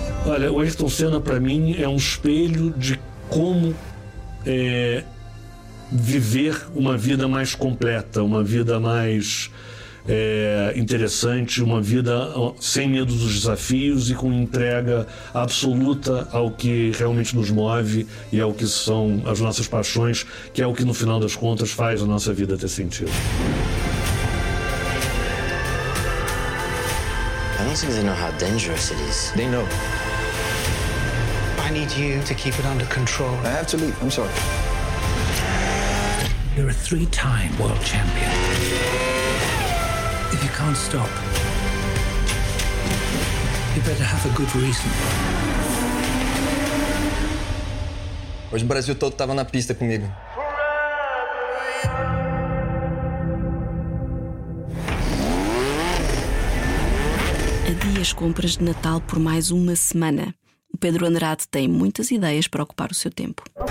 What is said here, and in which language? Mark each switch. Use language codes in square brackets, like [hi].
[pt] Olha, o Ayrton Senna para mim é um espelho de como é viver uma vida mais completa, uma vida mais interessante, uma vida sem medo dos desafios e com entrega absoluta ao que realmente nos move e ao que são as nossas paixões, que é o que no final das contas faz a nossa vida ter sentido. [en] I don't think they know how dangerous it is. They know. I need you to keep it under control. I have to leave. I'm sorry. You're a 3-time world champion. If you can't stop, you better have a good reason. [pt] Hoje o Brasil todo estava na pista comigo. A dias compras de Natal por mais uma semana. O Pedro Andrade tem muitas ideias para ocupar o seu tempo.